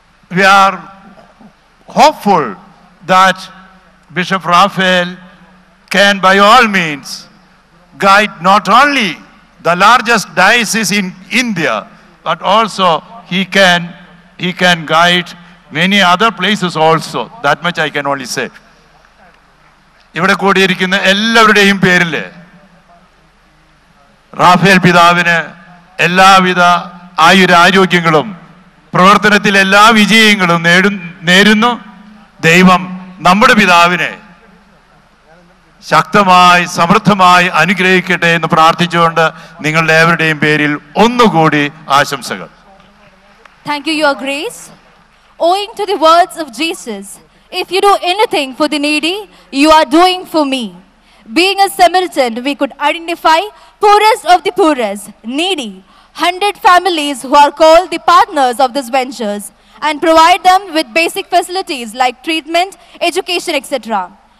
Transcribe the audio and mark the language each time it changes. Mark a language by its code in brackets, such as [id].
[en] We are hopeful that Bishop Raphael can by all means guide not only the largest diocese in India, but also he can guide many other places also. That much I can only say. [ml] ഇവിടെ കൂടിയിരിക്കുന്ന എല്ലാവരുടെയും പേരിൽ Rafale പിതാവിന് എല്ലാവിധ ആയുരാരോഗ്യങ്ങളും പ്രവർത്തനത്തിൽ എല്ലാ വിജയങ്ങളും നേരുന്നു. ദൈവം നമ്മുടെ പിതാവിനെ ശക്തമായി സമൃദ്ധമായി അനുഗ്രഹിക്കട്ടെ എന്ന് പ്രാർത്ഥിച്ചുകൊണ്ട് നിങ്ങളുടെ ഏവരുടെയും പേരിൽ ഒന്നുകൂടി ആശംസകൾ. [en] Thank you, Your Grace. Owing to the words of Jesus, if you do anything for the needy, you are doing for me. Being a Samaritan, we could identify poorest of the poorest, needy, 100 families who are called the partners of this ventures and provide them with basic facilities like treatment, education, etc.